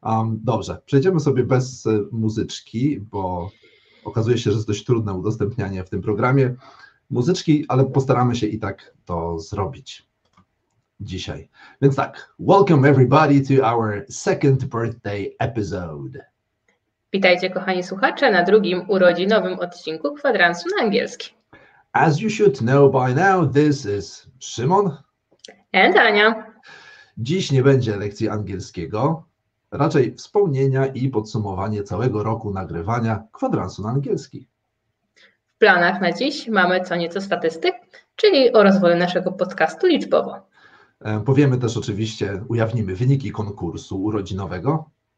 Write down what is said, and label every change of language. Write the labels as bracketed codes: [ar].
[pl] Dobrze, przejdziemy sobie bez muzyczki, bo okazuje się, że jest dość trudne udostępnianie w tym programie muzyczki, ale postaramy się i tak to zrobić dzisiaj. Więc tak, [en] welcome everybody to our second birthday episode. [pl] Witajcie, kochani słuchacze, na drugim urodzinowym odcinku kwadransu na angielski. [en] As you should know by now, this is Szymon. And Ania. [pl] Dziś nie będzie lekcji angielskiego, raczej wspomnienia i podsumowanie całego roku nagrywania kwadransu na angielski. W planach na dziś mamy co nieco statystyk, czyli o rozwoju naszego podcastu liczbowo. Powiemy też oczywiście, ujawnimy wyniki konkursu urodzinowego.